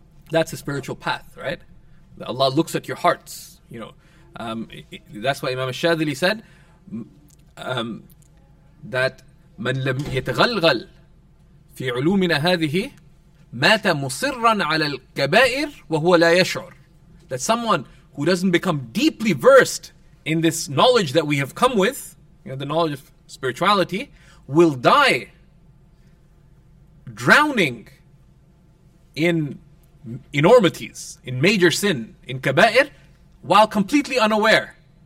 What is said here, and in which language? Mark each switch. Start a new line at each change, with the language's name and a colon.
English: That's the spiritual path, right? Allah looks at your hearts, you know. That's why Imam Shadili said that
Arabic: من لم يتغلغل في علومنا هذه مات مصرا على الكبائر وهو لا يشعر.
English: That someone who doesn't become deeply versed in this knowledge that we have come with, you know, the knowledge of spirituality, will die drowning in enormities, in major sin, in kaba'ir, while completely unaware.